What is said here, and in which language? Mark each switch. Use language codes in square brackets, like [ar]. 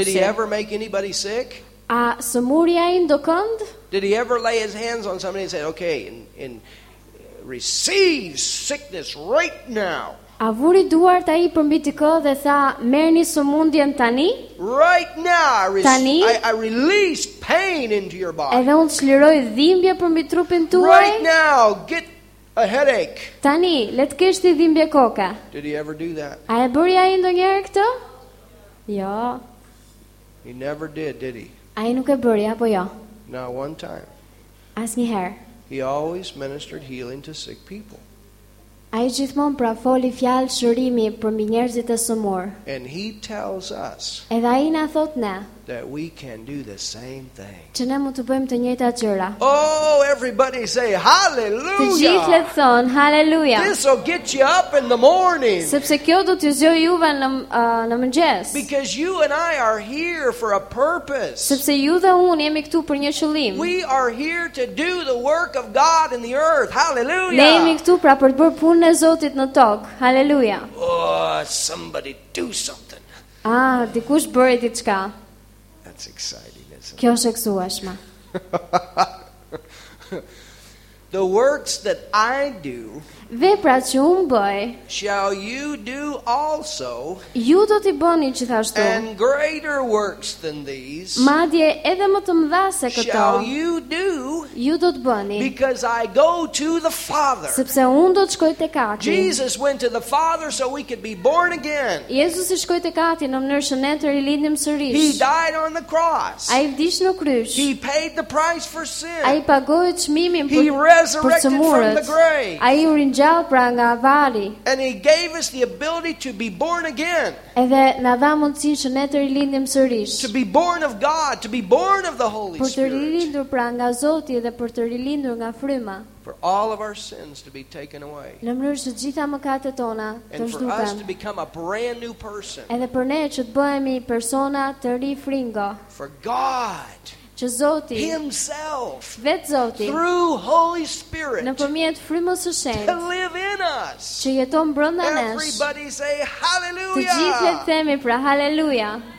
[en] Did he ever make anybody sick? [sq] A sëmuri ai ndokënd? [en] Did he ever lay his hands on somebody and say, "Okay, and receive sickness right now"? [sq] A vuri duart ai përmbi dikë dhe tha, "Merrni sëmundjen tani"? [en] Right now, [sq] tani? [en] I release pain into your body. [sq] Edhe unë çliroj dhimbje përmbi trupin tuaj. [en] Right now, get a headache. [sq] Tani, le të kesh ti dhimbje koke. [en] Did he ever do that? [sq] A e bëri ai ndonjëherë këtë? Jo. [en] He never did he? [sq] Ai nuk e bëri apo jo? [en] No, one time. [sq] Asnjëherë. [en] He always ministered healing to sick people. [sq] Ai gjithmonë pra foli fjalë shërimi për mbi njerëzit e sëmurë. [en] And he tells us. [sq] Edhe ai na thot ne. [en] That we can do the same thing. [sq] Që ne mund të bëjmë të njëjta gjëra. [en] Oh, everybody say hallelujah. [sq] Të gjithë le të thonë hallelujah. [en] This will get you up in the morning. [sq] Sepse kjo do t'ju zgjojë juve në mëngjes. [en] Because you and I are here for a purpose. [sq] Sepse ju dhe unë jemi këtu për një qëllim. [en] We are here to do the work of God in the earth. Hallelujah. [sq] Ne jemi këtu pra për të bërë punën e Zotit në tokë. Hallelujah. [en] Oh, somebody do something. [sq] Ah, dikush bëri diçka. [en] It's exciting, isn't it? [sq] Kjo është eksueshme. [en] The works that I do, [sq] veprat që unë bëj, [en] shall you do also, [sq] ju do t'i bëni gjithashtu, [en] and greater works than these, [sq] madje edhe më të mëdha se këto, [en] shall you do, [sq] ju do të bëni, [en] because I go to the Father. [sq] Sepse unë do të shkoj tek Ati. [en] Jesus went to the Father so we could be born again. [sq] Jezusi shkoi tek Ati në mënyrë që ne të rilindim sërish. [en] He died on the cross. [sq] Ai vdiq në krysh. [en] He paid the price for sin. [sq] Ai pagoi çmimin [en] për resurrected from the grave. [sq] Ai ringjall pra nga vali. [en] And he gave us the ability to be born again. [sq] Edhe na dha mundsinë që ne të rilindim sërish. [en] To be born of God, to be born of the Holy Spirit. [sq] Për të rilindur pra nga Zoti dhe për të rilindur nga Fryma. [en] For all of our sins to be taken away. [sq] Në mënyrë që të gjitha mëkatet tona të zhduken. [en] And for us to become a brand new person. [sq] Edhe për ne që të bëhemi persona të ri fringo. [en] For God. [sq] Që Zoti [en] himself, [sq] vetë Zoti, [en] through Holy Spirit, [sq] nëpërmjet Frymës së Shenjtë, [en] to live in us, [sq] që jeton brenda nesh. [en] Everybody say hallelujah. [sq] Të gjithë le të themi pra hallelujah.